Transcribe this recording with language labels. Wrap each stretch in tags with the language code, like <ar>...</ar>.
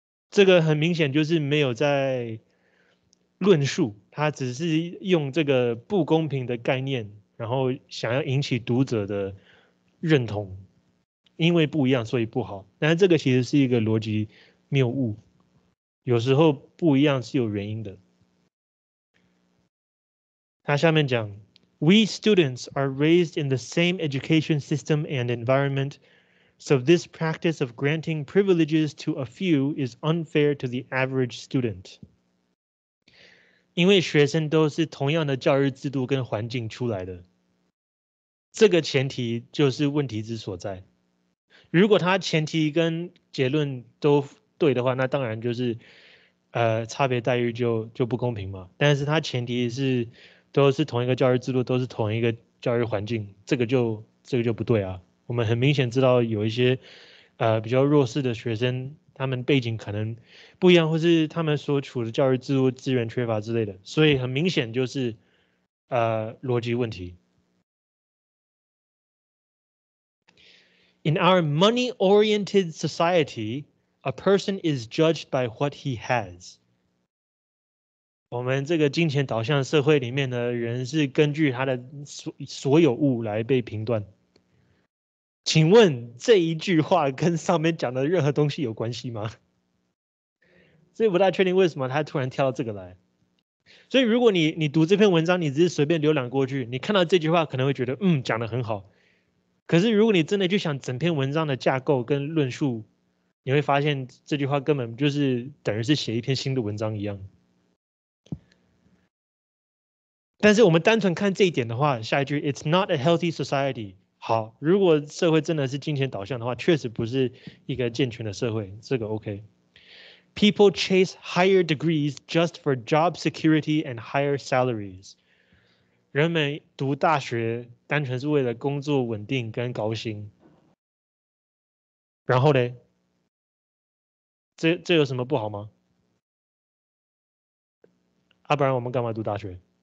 <zh>这个很明显就是没有在论述，他只是用这个不公平的概念然后想要引起读者的认同，因为不一样所以不好，但是这个其实是一个逻辑谬误，有时候不一样是有原因的。他下面讲，</zh> <en>We students are raised in the same education system and environment, so this practice of granting privileges to a few is unfair to the average student.</en> <zh>因为学生都是同样的教育制度跟环境出来的，这个前提就是问题之所在。如果他前提跟结论都对的话，那当然就是差别待遇就不公平嘛。但是他前提是都是同一个教育制度，都是同一个教育环境，这个就不对啊。我们很明显知道有一些比较弱势的学生，他们背景可能不一样，或是他们所处的教育制度资源缺乏之类的，所以很明显就是逻辑问题。</zh> <en>In our money-oriented society, a person is judged by what he has.</en> <zh>我们这个金钱导向社会里面的人是根据他的所有物来被评断。请问这一句话跟上面讲的任何东西有关系吗？所以不大确定为什么他突然跳到这个来。所以如果你读这篇文章，你只是随便浏览过去，你看到这句话可能会觉得讲得很好。可是如果你真的去想整篇文章的架构跟论述，你会发现这句话根本就是等于是写一篇新的文章一样。但是我们单纯看这一点的话，下一句</zh> <en>It's not a healthy society。</en> <zh>好，如果社会真的是金钱导向的话，确实不是一个健全的社会，这个 OK。</zh> <en>People chase higher degrees just for job security and higher salaries。</en> <zh>人们读大学单纯是为了工作稳定跟高薪，然后呢？这有什么不好吗？不然我们干嘛读大学？</zh>